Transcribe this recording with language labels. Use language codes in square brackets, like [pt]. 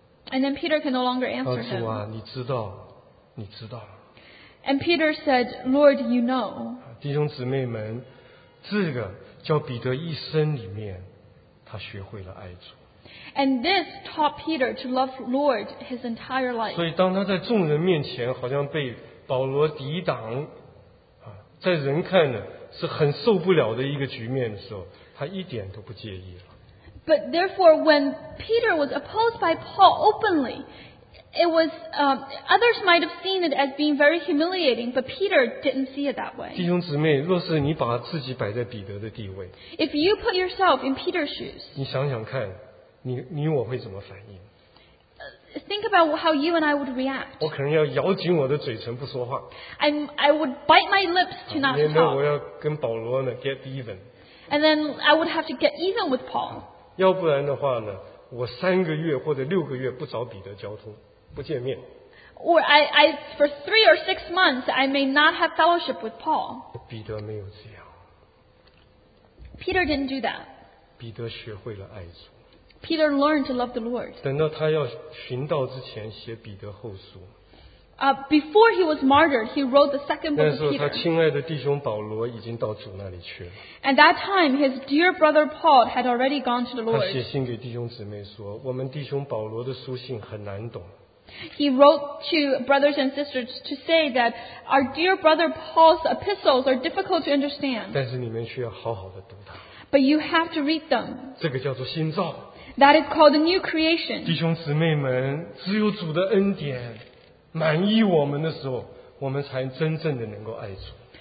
[en] And then Peter can no longer answer him. [zh] 主啊，你知道，你知道。 [en] And Peter said, "Lord, you know." [zh] 弟兄姊妹们，这个叫彼得一生里面，他学会了爱主。 [en] And this taught Peter to love Lord his entire life. [zh] 所以当他在众人面前好像被保罗抵挡。在人看呢是很受不了的一个局面的时候，他一点都不介意了。 [en] But therefore, when Peter was opposed by Paul openly, it was others might have seen it as being very humiliating, but Peter didn't see it that way. [zh] 弟兄姊妹，若是你把自己摆在彼得的地位 [en] ，If you put yourself in Peter's shoes, [zh] 你想想看，你我会怎么反应 [en] Think about how you and I would react. [zh] 我可能要咬紧我的嘴唇不说话。 [en] I would bite my lips to not talk. [zh] 因为我要跟保罗呢, [en] get even. And then I would have to get even with Paul. [zh] 要不然的话呢, 我3个月或者6个月不找彼得交通, 不见面。 [en] Or I for 3 or 6 months I may not have fellowship with Paul. [zh] 彼得没有这样。 [en] Peter didn't do that. [zh] 彼得学会了爱主。 [en] Peter learned to love the Lord. [zh] 等到他要寻道之前写彼得后书。 [en] Before he was martyred, he wrote the second book of Peter. [zh] 那时候他亲爱的弟兄保罗已经到主那里去了。 [en] At that time, his dear brother Paul had already gone to the Lord. [zh] 他写信给弟兄姊妹说，我们弟兄保罗的书信很难懂。 [en] He wrote to brothers and sisters to say that our dear brother Paul's epistles are difficult to understand. [zh] 但是你们需要好好的读它。 [en] But you have to read them. [zh] 这个叫做新造。 [en] That is called the new creation. [zh] 弟兄姊妹们，只有主的恩典满意我们的时候，我们才真正的能够爱主。